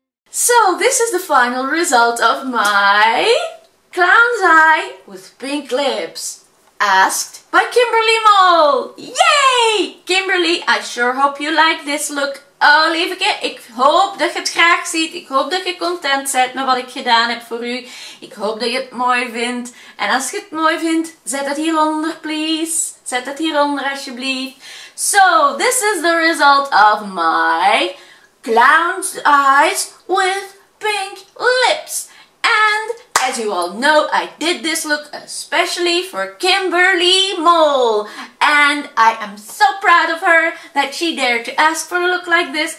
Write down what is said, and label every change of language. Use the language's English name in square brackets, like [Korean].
[English] So this is the final result of my clown's eye with pink lips, asked by Kimberly Moll. Yay! Kimberly, I sure hope you like this look. [Dutch] Oh, lieveke, ik hoop dat je het graag ziet. Ik hoop dat je content bent met wat ik gedaan heb voor u. Ik hoop dat je het mooi vindt. En als je het mooi vindt, zet het hieronder, please. Zet het hieronder, alsjeblieft. [English] So, this is the result of my clown's eyes with pink lips. And as you all know, I did this look especially for Kimberly Moll. And I am so proud of her that she dared to ask for a look like this.